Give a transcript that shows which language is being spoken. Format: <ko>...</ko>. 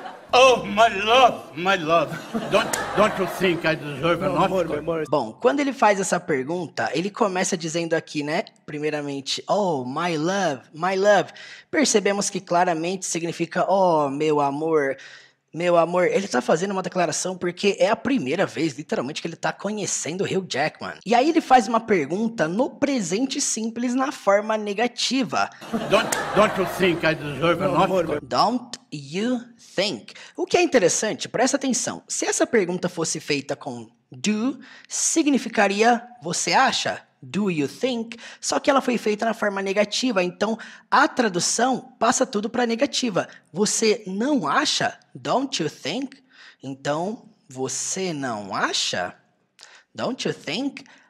<en>Oh, my love, don't you think I deserve an Oscar?</en> <pt>Meu amor. Bom, quando ele faz essa pergunta, ele começa dizendo aqui, né, primeiramente,</pt> <en>oh, my love,</en> <pt>percebemos que claramente significa, oh, meu amor, ele tá fazendo uma declaração porque é a primeira vez, literalmente, que ele tá conhecendo o Hugh Jackman. E aí ele faz uma pergunta no presente simples na forma negativa.</pt> <en>Don't you think I deserve an Oscar? Don't you think?</en> <pt>O que é interessante, presta atenção, se essa pergunta fosse feita com do, significaria você acha?</pt> <en>Do you think?</en> <pt>Só que ela foi feita na forma negativa, então a tradução passa tudo para negativa. Você não acha?</pt> <en>Don't you think?</en> <pt>Então, você não acha? Don't you think?</pt>